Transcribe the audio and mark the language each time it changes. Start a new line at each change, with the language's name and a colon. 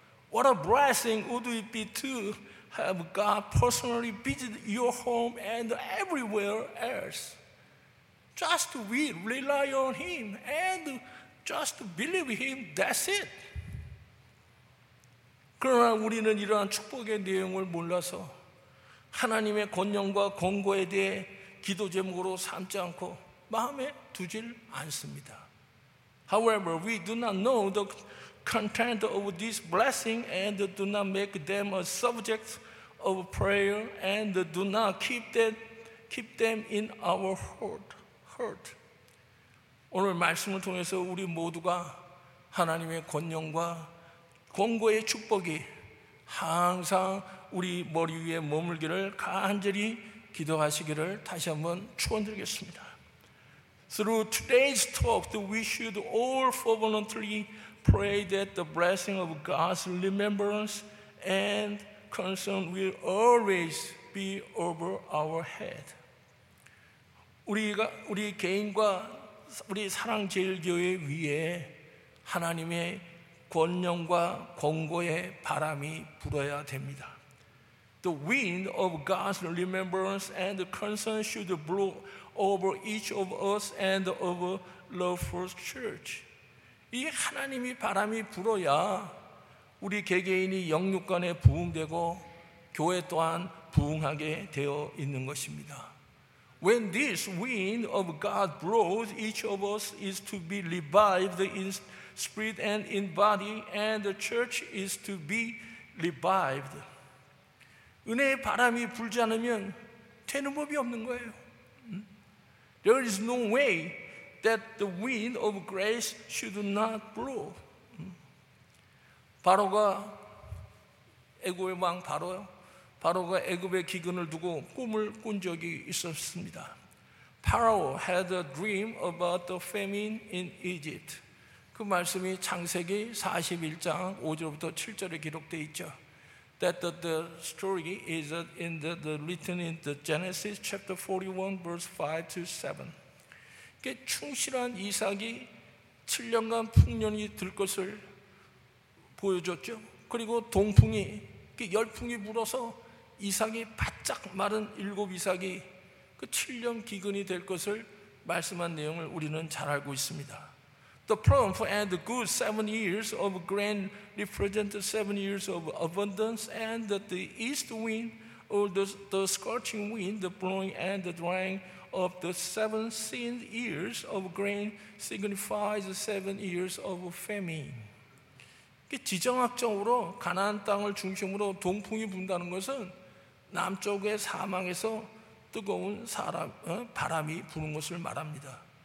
English: What a blessing would it be to have God personally visit your home and everywhere else. Just we rely on Him and just believe Him, that's it.
Korean: 그러나 우리는 이러한 축복의 내용을 몰라서 하나님의 권능과 권고에 대해 기도 제목으로 삼지 않고 마음에 두질 않습니다.
English: However, we do not know the content of this blessing and do not make them a subject of prayer and do not keep them in our heart.
Korean: 오늘 말씀을 통해서 우리 모두가 하나님의 권능과 권고의 축복이 항상 우리 머리 위에 머물기를 간절히 기도하시기를 다시 한번 추원드리겠습니다.
English: Through today's talk, we should all fervently pray that the blessing of God's remembrance and concern will always be over our head.
Korean: 우리 개인과 우리 사랑제일교회 위에 하나님의 권능과 권고의 바람이 불어야 됩니다.
English: The wind of God's remembrance and concern should blow over each of us and over Love First Church.
Korean: 이 하나님이 바람이 불어야 우리 개개인이 영육간에 부흥되고 교회 또한 부흥하게 되어 있는 것입니다.
English: When this wind of God blows, each of us is to be revived in spirit and in body, and the church is to be revived.
Korean: 은혜의 바람이 불지 않으면 되는 법이 없는 거예요.
English: There is no way that the wind of grace should not blow.
Korean: 바로가 애굽의 왕 바로가 애굽의 기근을 두고 꿈을 꾼 적이 있었습니다.
English: Pharaoh had a dream about the famine in Egypt.
Korean: 그 말씀이 창세기 41장 5절부터 7절에 기록되어 있죠.
English: That the story is in the written in the Genesis chapter 41 verse 5 to 7.
Korean: 충실한 이삭이 7년간 풍년이 들 것을 보여줬죠. 그리고 동풍이, 열풍이 불어서 이삭이 바짝 마른 일곱 이삭이 그 7년 기근이 될 것을 말씀한 내용을 우리는 잘 알고 있습니다.
English: The prompt and good 7 years of grain represent 7 years of abundance and the east wind or the scorching wind, the blowing and the drying of the 7 years of grain signifies 7 years of famine.
Korean: 지정학적으로 가나안 땅을 중심으로 동풍이 분다는 것은 남쪽의 사막에서 뜨거운 바람이 부는 것을 말합니다.